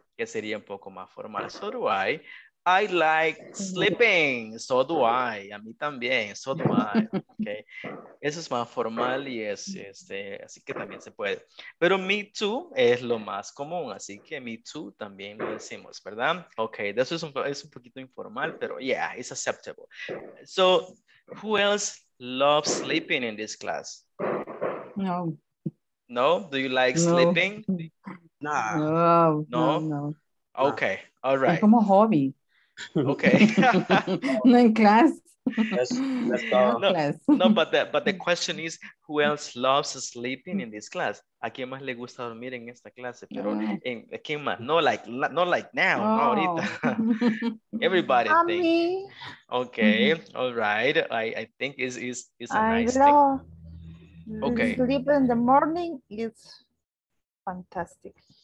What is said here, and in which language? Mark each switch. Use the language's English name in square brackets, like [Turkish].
[Spanish] Que sería un poco más formal. [English] So do I. I like sleeping, so do I, [Spanish] a mí también, [English] so do I, okay. [Spanish] Eso es más formal y es, así que también se puede. Pero me too es lo más común, así que me too también lo decimos, ¿verdad? Okay, eso es un poquito informal, pero [English] yeah, it's acceptable. So, who else loves sleeping in this class? No. No? Do you like sleeping? Nah. No. Okay, all right. [Spanish] Es como hobby. [English] Okay. No in class. No, but the question is, who else loves sleeping in this class? [Spanish] ¿A quién más le gusta dormir en esta clase? Pero ¿a quién más? [English] No, not like now. Oh. [Spanish] No ahorita. [English] Everybody. [Spanish] A mí. [English] Okay. All right. I think it's a I nice thing. Okay. Sleep in the morning is fantastic.